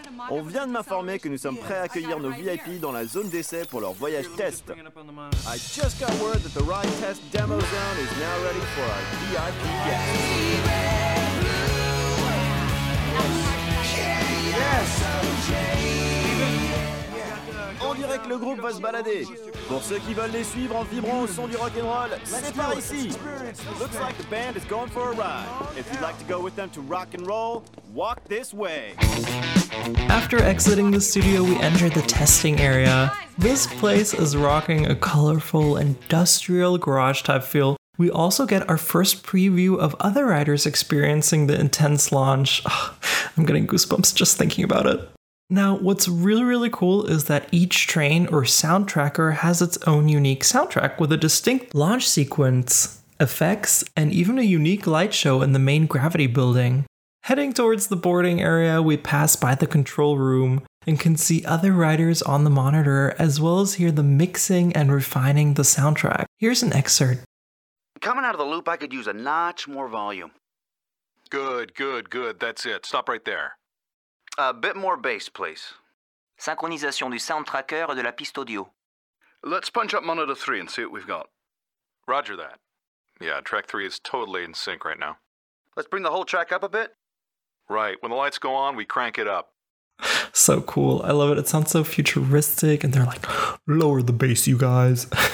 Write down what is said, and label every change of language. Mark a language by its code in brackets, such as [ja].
[fr] On vient de m'informer que nous sommes prêts à accueillir nos VIP dans la zone d'essai pour leur voyage test. [en] I just got word that the ride test demo zone is now ready for our VIP guests. Yes. [fr] On dirait que le groupe va se balader. Pour ceux qui veulent les suivre en vibrant au son du rock'n'roll, c'est par ici. [en] Looks like the band is going for a ride. If you'd like to go with them to rock and roll, walk this way. After exiting the studio, we enter the testing area. This place is rocking a colorful industrial garage type feel. We also get our first preview of other riders experiencing the intense launch. Oh, I'm getting goosebumps just thinking about it. Now, what's really, really cool is that each train or sound tracker has its own unique soundtrack with a distinct launch sequence, effects, and even a unique light show in the main gravity building. Heading towards the boarding area, we pass by the control room and can see other riders on the monitor, as well as hear them mixing and refining the soundtrack. Here's an excerpt. Coming out of the loop, I could use a notch more volume. Good, good, good. That's it. Stop right there. A bit more bass, please. [fr] Synchronisation du sound tracker et de la piste audio. [en] Let's punch up monitor 3 and see what we've got. Roger that. Yeah, track 3 is totally in sync right now. Let's bring the whole track up a bit. Right, when the lights go on, we crank it up. So cool, I love it. It sounds so futuristic, and they're like, lower the bass, you guys.